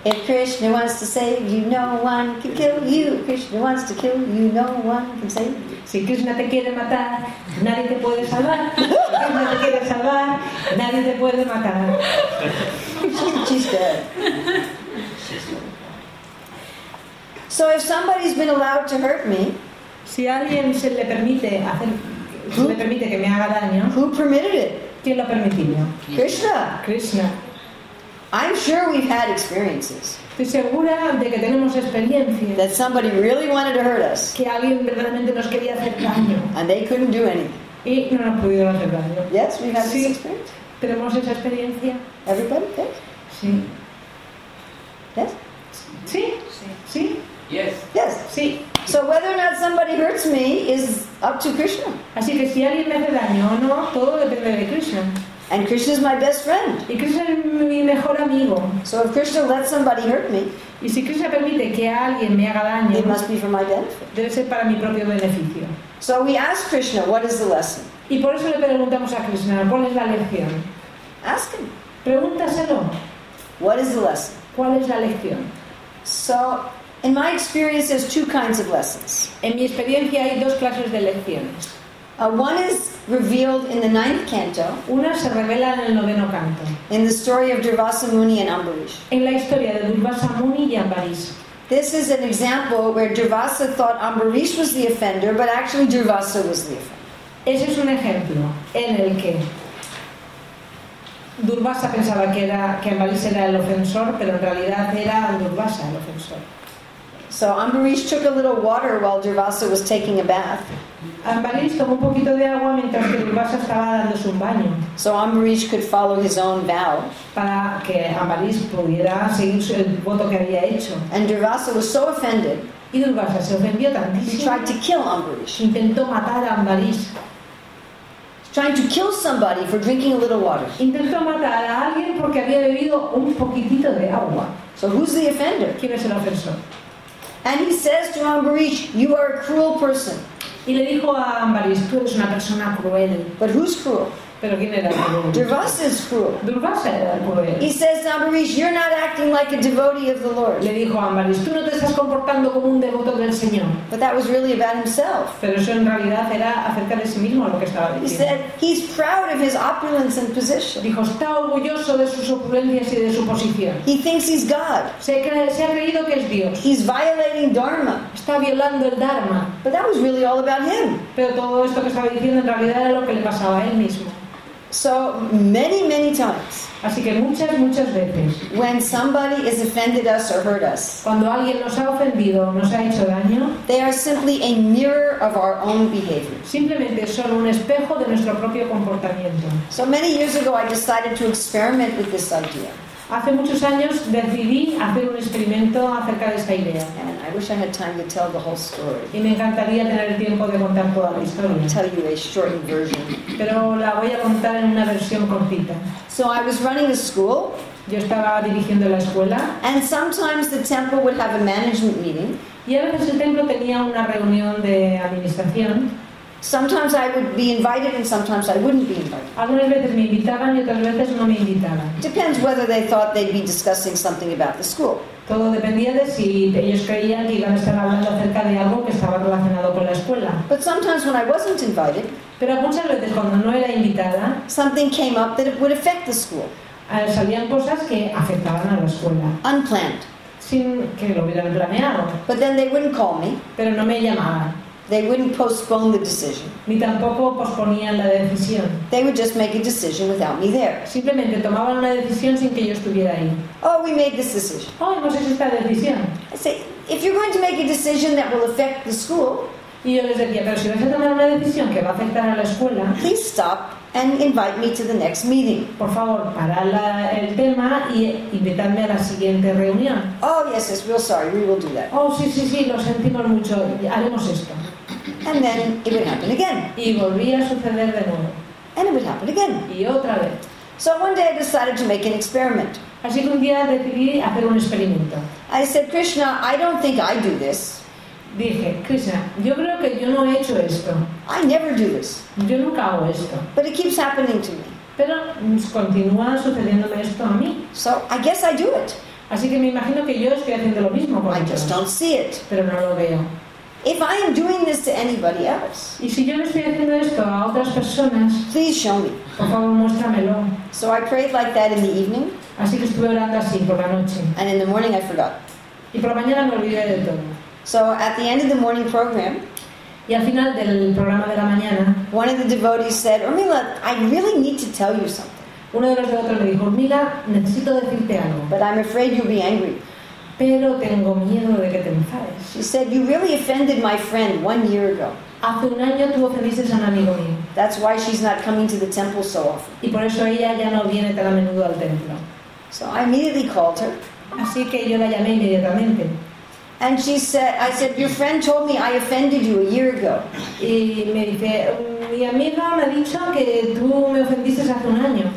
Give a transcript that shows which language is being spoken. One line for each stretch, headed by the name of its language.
English: If Krishna wants to save you, no one can kill you. Krishna wants to kill you, no one can save you.
Spanish: Si Krishna te quiere matar, nadie te puede salvar. Si Krishna te quiere salvar, nadie te puede matar.
English: She's dead. So if somebody's been allowed to hurt me,
Spanish: si alguien se le permite hacer, who, se le permite que me haga daño,
English: who permitted it?
Spanish: ¿Quién lo permitió? Krishna. Krishna.
English: I'm sure we've had experiences.
Spanish: Estoy segura de que tenemos experiencias.
English: That somebody really wanted to hurt us.
Spanish: Que alguien verdaderamente nos quería hacer daño.
English: And they couldn't do anything.
Spanish: Y no nos pudieron hacer daño.
English: Yes, we've had this experience.
Spanish: Tenemos esa experiencia.
English: Everybody, yes.
Spanish: Sí.
English: Yes.
Spanish: Sí. Sí. Sí.
English: Yes. Yes.
Spanish: Sí.
English: So whether or not somebody hurts me is up to Krishna.
Spanish: Así que si alguien me hace daño o no, todo depende de Krishna.
English: And Krishna is my best friend.
Spanish: Y Krishna es mi mejor amigo.
English: So if Krishna lets somebody hurt me,
Spanish: y si Krishna permite que alguien me haga daño,
English: it must be for my benefit.
Spanish: Debe ser para mi propio beneficio.
English: So we ask Krishna, what is the lesson?
Spanish: Y por eso le preguntamos a Krishna, ¿cuál es la lección?
English: Ask him.
Spanish: Pregúntaselo.
English: What is the lesson?
Spanish: ¿Cuál es la lección?
English: So in my experience, there's two kinds of lessons.
Spanish: En mi experiencia hay dos clases de lecciones.
English: One is revealed in the ninth canto.
Spanish: Una se revela en el noveno canto.
English: In the story of Durvasa Muni and Ambarish.
Spanish: En la historia de Durvasa Muni y Ambarish.
English: This is an example where Durvasa thought Ambarish was the offender, but actually Durvasa was the offender.
Spanish: Ese es un ejemplo en el que Durvasa pensaba que Ambarish era el ofensor, pero en realidad era Durvasa el ofensor.
English: So Ambarish took a little water while Durvasa was taking a bath.
Spanish: Ambarish tomó un poquito de agua mientras que Durvasa estaba dando su baño.
English: So Ambarish could follow his own vow.
Spanish: Para que Ambarish pudiera seguir el voto que había hecho.
English: And Durvasa was so offended.
Spanish: Y Durvasa se ofendió tantísimo.
English: He tried to kill Ambarish.
Spanish: Intentó matar a Ambarish.
English: Trying to kill somebody for drinking a little water.
Spanish: Intentó matar a alguien porque había bebido un poquitito de agua.
English: So who's the offender?
Spanish: ¿Quién es el ofensor?
English: And he says to Ambarish, "You are a cruel person."
Spanish: Y le dijo a Ambarish, "Tú eres una persona cruel."
English: But who's cruel?
Spanish: Pero quién era cruel?
English: Durvasa is cruel.
Spanish: Durvasa era cruel.
English: He says to Ambarish, "You're not acting like a devotee of the Lord."
Spanish: Le dijo a Ambarish, "Tú no te estás comportando como un devoto del Señor."
English: But that was really about himself.
Spanish: Pero eso en realidad era acerca de sí mismo lo que estaba diciendo.
English: He said he's proud of his opulence and position.
Spanish: Dijo está orgulloso de sus opulencias y de su posición.
English: He thinks he's God.
Spanish: Se ha creído que es Dios.
English: He's violating dharma.
Spanish: Está violando el dharma.
English: But that was really all about him.
Spanish: Pero todo esto que estaba diciendo en realidad era lo que le pasaba a él mismo.
English: So many, many times.
Spanish: Así que muchas, muchas veces.
English: When somebody has offended us or hurt us.
Spanish: Cuando alguien nos ha ofendido, nos ha hecho daño.
English: They are simply a mirror of our own behavior.
Spanish: Simplemente son un espejo de nuestro propio comportamiento.
English: So many years ago, I decided to experiment with this idea.
Spanish: Hace muchos años decidí hacer un experimento acerca de esta idea.
English: And I wish I had time to tell the whole story.
Spanish: Y me encantaría tener el tiempo de contar toda la historia.
English: I'll tell you a short version.
Spanish: Pero la voy a contar en una versión cortita.
English: So I was running a school.
Spanish: Yo estaba dirigiendo la escuela.
English: And sometimes the temple would have a management meeting.
Spanish: Y a veces el templo tenía una reunión de administración.
English: Sometimes I would be invited and sometimes I wouldn't be invited.
Spanish: Algunas veces me invitaban y otras veces no me invitaban.
English: Depends whether they thought they'd be discussing something about the school.
Spanish: Todo dependía de si ellos creían que iban a estar hablando acerca de algo que estaba relacionado con la escuela.
English: But sometimes when I wasn't invited,
Spanish: pero muchas veces cuando no era invitada,
English: something came up that it would affect the school.
Spanish: Salían cosas que afectaban a la escuela.
English: Unplanned.
Spanish: Sin que lo hubieran planeado.
English: But then they wouldn't call me.
Spanish: Pero no me llamaban.
English: They wouldn't postpone the decision.
Spanish: Ni tampoco posponían la decisión.
English: They would just make a decision without me there.
Spanish: Simplemente tomaban una decisión sin que yo estuviera ahí.
English: Oh, we made this decision.
Spanish: Oh, hemos hecho esta decisión.
English: I say, if you're going to make a decision that will affect the school,
Spanish: y yo les decía, pero si vas a tomar una decisión que va a afectar a la escuela,
English: please stop and invite me to the next meeting.
Spanish: Por favor, para el tema y invitarme a la siguiente reunión.
English: Oh, yes, yes, real sorry, we will do that.
Spanish: Oh, sí, sí, sí, lo sentimos mucho, haremos esto.
English: And then it would happen again.
Spanish: Y volvía a suceder de nuevo.
English: And it would happen again.
Spanish: Y otra vez.
English: So one day I decided to make an experiment.
Spanish: Así que un día decidí hacer un experimento.
English: I said, Krishna, I don't think I do this.
Spanish: Dije, Krishna, yo creo que yo no he hecho esto.
English: I never do this.
Spanish: Yo nunca hago esto.
English: But it keeps happening to me.
Spanish: Pero continúa sucediéndome esto a mí.
English: So I guess I do it.
Spanish: Así que me imagino que yo estoy haciendo lo mismo con
English: I just Don't see it.
Spanish: Pero no lo veo.
English: If I am doing this to anybody else,
Spanish: y si yo no estoy haciendo esto a otras personas,
English: please show me.
Spanish: Por favor, muéstramelo.
English: So I prayed like that in the evening.
Spanish: Así que estuve orando así por la noche.
English: And in the morning I forgot.
Spanish: Y por la mañana me olvidé de todo.
English: So at the end of the morning program,
Spanish: y al final del programa de la mañana,
English: one of the devotees said, Urmila, I really need to tell you something.
Spanish: Uno de los devotos me dijo, Urmila, necesito decirte algo.
English: But I'm afraid you'll be angry.
Spanish: Pero tengo miedo de que te enfades.
English: She said, you really offended my friend 1 year ago.
Spanish: Hace un año tú ofendiste a un amigo mío.
English: That's why she's not coming to the temple so often.
Spanish: Y por eso ella ya no viene tan a menudo al templo.
English: So I immediately called her.
Spanish: Así que yo la llamé inmediatamente.
English: And she said, I said, your friend told me I offended you 1 year ago.
Spanish: Y me dice, mi amiga me ha dicho que tú me ofendiste hace un año.